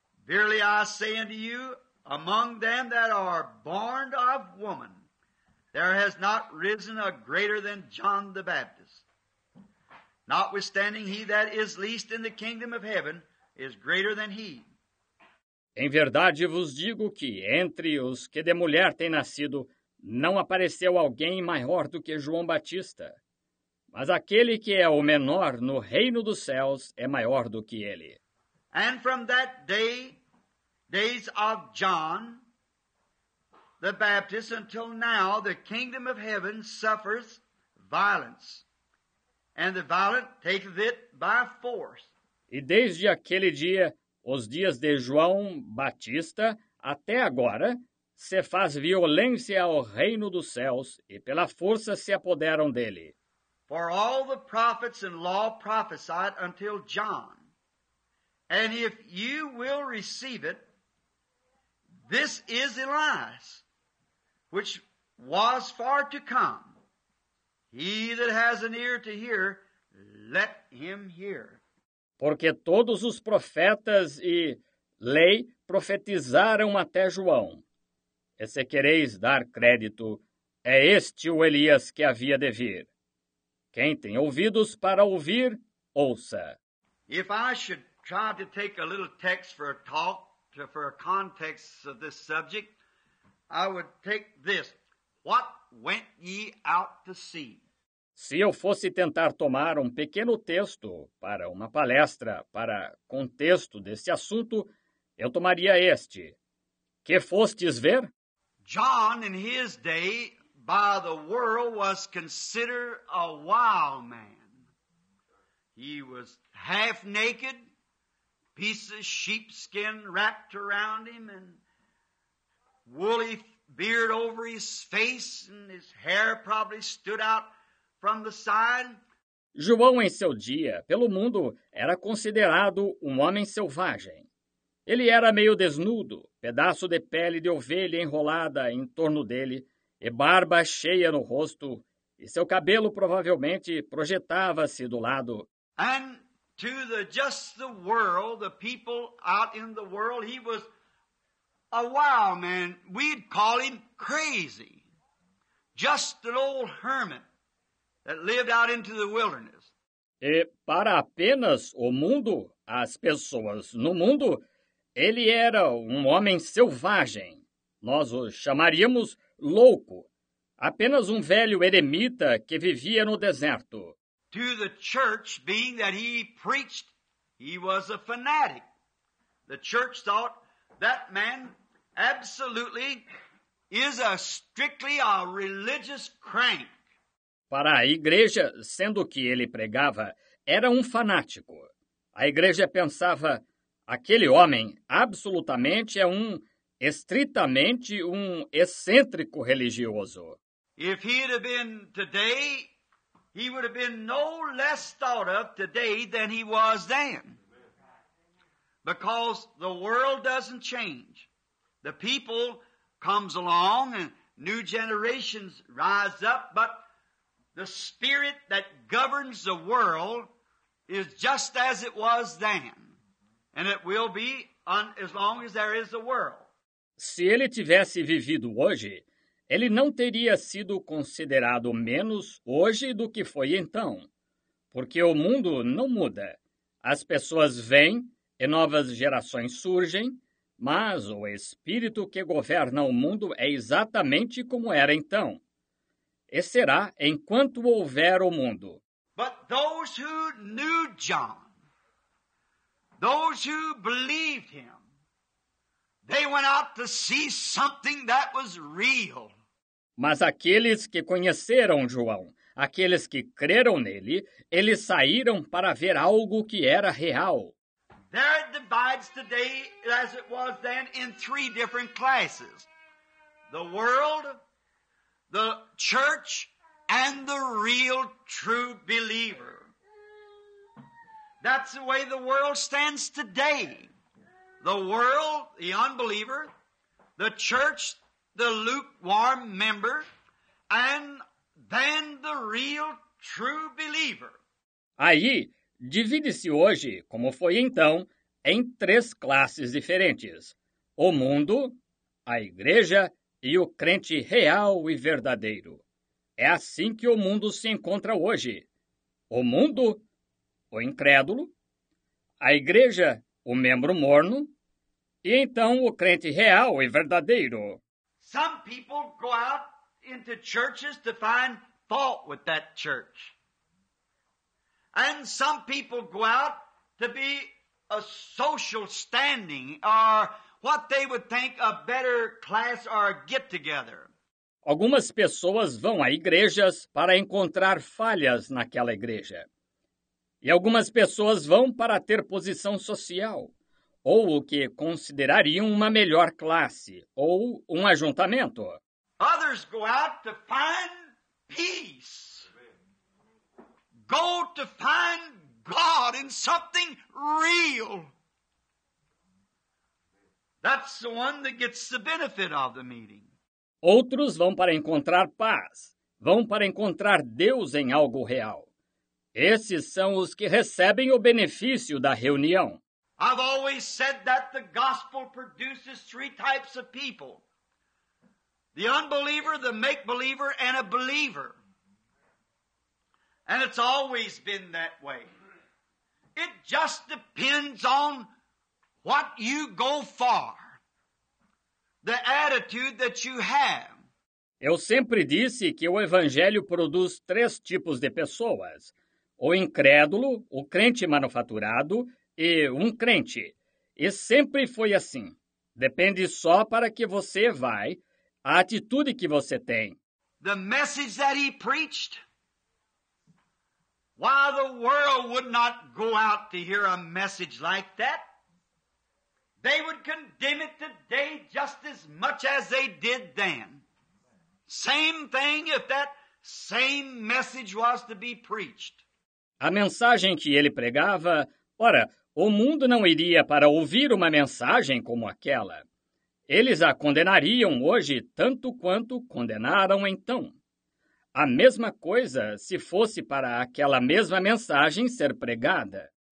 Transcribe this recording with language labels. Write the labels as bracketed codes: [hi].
[en] Verily I say unto you, among them that are born of woman, there has not risen a greater than John the Baptist. Notwithstanding, he that is least in the kingdom of heaven is greater than he. [pt] Em verdade vos digo que, entre os que de mulher têm nascido, não apareceu alguém maior do que João Batista. Mas aquele que é o menor no reino dos céus é maior do que ele. [en] And from that day, days of John the Baptist, until now, the kingdom of heaven suffers violence, and the violent taketh it by force. [pt] E desde aquele dia, os dias de João Batista, até agora, se faz violência ao reino dos céus, e pela força se apoderam dele. [en] For all the prophets and law prophesied until John, and if you will receive it, this is Elias, which was far to come. He that has an ear to hear, let him hear. [pt] Porque todos os profetas e lei profetizaram até João. E se quereis dar crédito, é este o Elias que havia de vir. Quem tem ouvidos para ouvir, ouça. [en] If I should try to take a little text for a talk, for a context of this subject, I would take this. What went ye out to see? [pt] Se eu fosse tentar tomar um pequeno texto para uma palestra, para contexto desse assunto, eu tomaria este. Que fostes ver? [en] John, in his day, by the world, was considered a wild man. He was half naked, pieces of sheepskin wrapped around him, and woolly beard over his face, and his hair probably stood out from the side. [pt] João, em seu dia, pelo mundo, era considerado um homem selvagem. Ele era meio desnudo, pedaço de pele de ovelha enrolada em torno dele, e barba cheia no rosto, e seu cabelo provavelmente projetava-se do lado. [en] And to the just the world, the people out in the world, he was a wild man. We'd call him crazy. Just an old hermit that lived out into the wilderness. [pt] E para apenas o mundo, as pessoas no mundo, ele era um homem selvagem. Nós o chamaríamos louco. Apenas um velho eremita que vivia no deserto. [en] To the church, being that he preached, he was a fanatic. The church thought that man absolutely is a strictly a religious crank. [pt] Para a igreja, sendo que ele pregava, era um fanático. A igreja pensava, aquele homem absolutamente é um, estritamente um excêntrico religioso. [en] If he'd have been today, he would have been no less thought of today than he was then. Because the world doesn't change. The people comes along and new generations rise up, but the spirit that governs the world is just as it was then. And it will be as long as there is a world. [pt] Se ele tivesse vivido hoje, ele não teria sido considerado menos hoje do que foi então, porque o mundo não muda. As pessoas vêm e novas gerações surgem, mas o espírito que governa o mundo é exatamente como era então. E será enquanto houver o mundo. [en] But those who knew John, those who believed him, they went out to see something that was real. [pt] Mas aqueles que conheceram João, aqueles que creram nele, eles saíram para ver algo que era real. [en] There it divides today, as it was then, in three different classes: the world, the church, and the real true believer. That's the way the world stands today. The world, the unbeliever, the church, the lukewarm member, and then the real true believer. [pt] Aí, divide-se hoje, como foi então, em três classes diferentes: o mundo, a igreja e o crente real e verdadeiro. É assim que o mundo se encontra hoje: o mundo, o incrédulo, a igreja, o membro morno, e então o crente real e verdadeiro. [en] Some people go out into churches to find fault with that church. And some people go out to be a social standing or what they would think a better class or a get together. [pt] Algumas pessoas vão a igrejas para encontrar falhas naquela igreja. E algumas pessoas vão para ter posição social, ou o que considerariam uma melhor classe, ou um ajuntamento. [en] Others go out to find peace. Go to find God in something real. That's the one that gets the benefit of the meeting. [pt] Outros vão para encontrar paz. Vão para encontrar Deus em algo real. Esses são os que recebem o benefício da reunião. [en] I've always said that the gospel produces three types of people: the unbeliever, the make-believer, and a believer. And it's always been that way. It just depends on what you go for, the attitude that you have. [pt] Eu sempre disse que o evangelho produz três tipos de pessoas: o incrédulo, o crente manufaturado e um crente. E sempre foi assim. Depende só para que você vai, a atitude que você tem. [en] The message that he preached, why the world would not go out to hear a message like that? They would condemn it today just as much as they did then. Same thing if that same message was to be preached. [pt] A mensagem que ele pregava, ora, o mundo não iria para ouvir uma mensagem como aquela. Eles a condenariam hoje tanto quanto condenaram então. A mesma coisa se fosse para aquela mesma mensagem ser pregada.